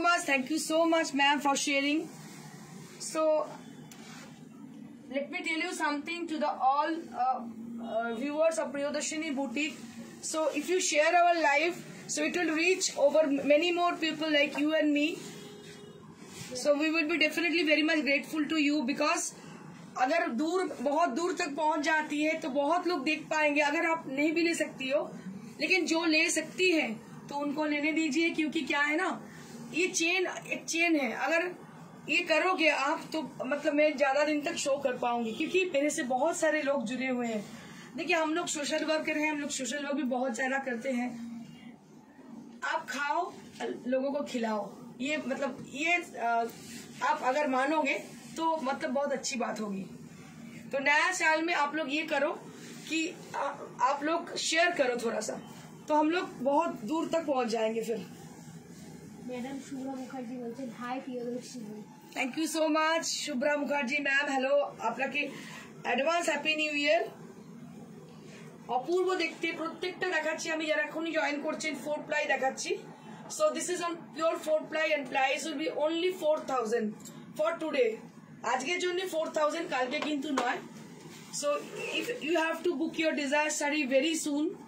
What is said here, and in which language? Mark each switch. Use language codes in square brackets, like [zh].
[en] thank you so much ma'am for sharing so let me tell you something to the all viewers of Priyodarshini boutique so if you share our life so it will reach over many more people like you and me so we will be definitely very much grateful to you because [hi] agar dur bahut dur tak pahunch jati hai to bahut log dekh payenge agar aap nahi bhi le sakti ho lekin jo le sakti hai to unko lene dijiye kyunki kya hai na ये chain एक chain है, अगर ये करोगे आप तो मतलब मैं ज्यादा दिन तक शो कर पाऊंगी, क्योंकि मेरे से बहुत सारे लोग जुड़े हुए हैं। देखिए हम लोग सोशल वर्कर हैं, हम लोग सोशल वर्क भी बहुत ज्यादा करते हैं। आप खाओ, लोगों को खिलाओ, ये मतलब ये आप अगर मानोगे तो मतलब बहुत अच्छी बात होगी। तो नया साल में आप लोग ये करो कि आप लोग शेयर करो थोड़ा सा, तो हम लोग बहुत दूर तक पहुंच जाएंगे। फिर मैडम शुभ्रा मुखर्जी बोलते हैं, हाय Priyadarshini. [en] thank you so much Shubhra Mukherjee ma'am, hello, [hi] आपका की [en] Advance happy new year. [bn] অপূর্ব দেখতে প্রত্যেকটা দেখাচ্ছি আমি, যারা এখনই জয়েন করছেন ফোর প্লাই দেখাচ্ছি। [en] so this is on pure four ply and price will be only 4000 for today, [bn] আজকের জন্য 4000, কালকে কিন্তু নয়। [en] So if you have to book your desire sari very soon.